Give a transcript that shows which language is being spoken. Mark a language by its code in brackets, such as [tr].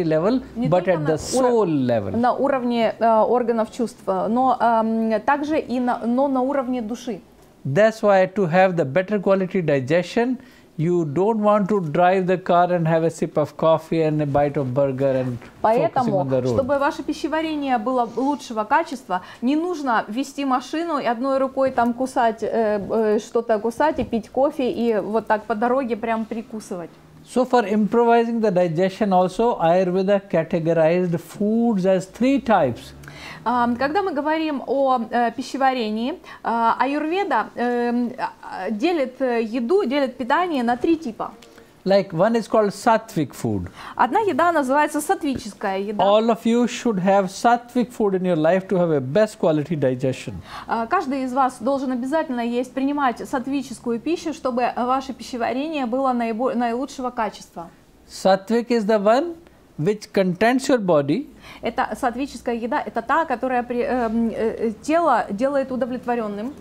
[en] not only at the sensory level, but at the soul level. [ru] На уровне органов чувств, но также и на, но на уровне души. [en] That's why to have the better quality digestion, you don't want to drive the car and have a sip of coffee and a bite of burger and [ru] Поэтому, [en] focusing on the road. [ru] Чтобы ваше пищеварение было лучшего качества, не нужно вести машину и одной рукой там кусать что-то кусать и пить кофе и вот так по дороге прям прикусывать. [en] So for improvising the digestion also, Ayurveda categorized foods as three types. [ru] Когда мы говорим о пищеварении, Аюрведа делит еду, делит питание на три типа. [en] Like one is called sattvic food. [ru] Одна еда называется сатвическая еда. [en] All of you should have sattvic food in your life to have a best quality digestion. [ru] Каждый из вас должен обязательно есть, принимать сатвическую пищу, чтобы ваше пищеварение было наилучшего качества. [en] Sattvic is the one which contents your body. [ru] Это сатвическая еда, это та, которая тело делает удовлетворенным.